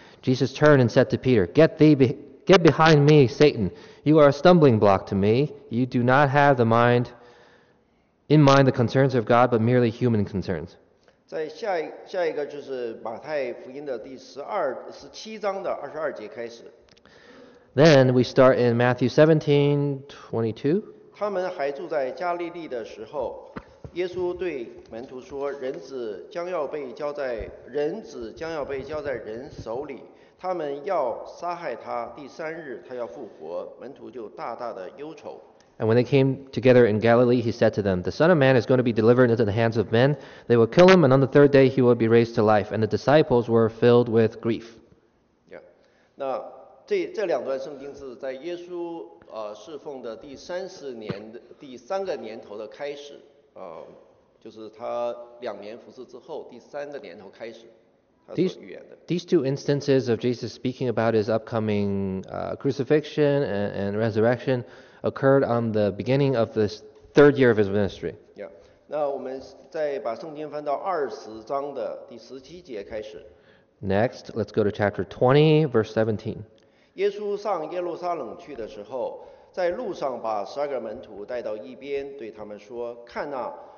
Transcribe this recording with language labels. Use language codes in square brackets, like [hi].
[en] Jesus turned and said to Peter, Get behind me, Satan. You are a stumbling block to me. You do not have in mind the concerns of God, but merely human concerns. [zh] 在下一个就是马太福音的第十七章的22节开始。 [en] Then we start in Matthew 17:22. [zh] 他们还住在加利利的时候，耶稣对门徒说：“人子将要被交在人手里，他们要杀害他，第三日他要复活。” 门徒就大大的忧愁。 [en] And when they came together in Galilee, he said to them, The Son of Man is going to be delivered into the hands of men. They will kill him, and on the third day he will be raised to life. And the disciples were filled with grief. Yeah. [zh] 那这两段圣经是在耶稣侍奉的第三个年头的开始，就是他两年服侍之后第三个年头开始。 [en] These two instances of Jesus speaking about his upcoming crucifixion and resurrection occurred on the beginning of the third year of his ministry. Yeah. [zh] 那我们再把圣经翻到20:17开始。 [en] Next, let's go to chapter 20:17. [zh] 耶稣上耶路撒冷去的时候，在路上把十二个门徒带到一边，对他们说：“看哪。”